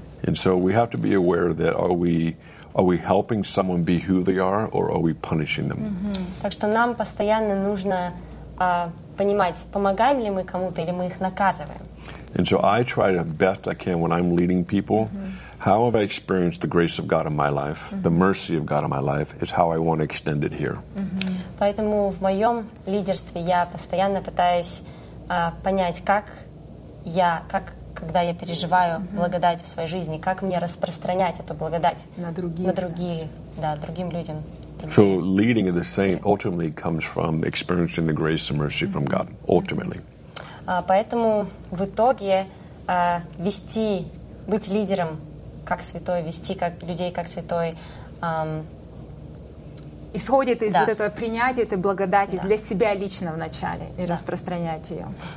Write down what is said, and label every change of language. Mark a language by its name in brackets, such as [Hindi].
[English] And so we have to be aware that are we helping someone be who they are or are we punishing them? [Russian] Так что нам постоянно нужно понимать, помогаем ли мы кому-то или мы их наказываем. [English] And so I try the best I can when I'm leading people. How have I experienced the grace of God in my life, the mercy of God in my life, is how I want to extend it here. [Russian] Поэтому в моем лидерстве я постоянно пытаюсь понять, когда я переживаю благодать в своей жизни, как мне распространять эту благодать на другие людям. [English] So leading the same ultimately comes from experiencing the grace and mercy from God, ultimately. [Russian] Поэтому в итоге вести, быть лидером как святой, вести как людей как святой, исходит из вот этого принятия этой благодати для себя лично вначале и распространять ее.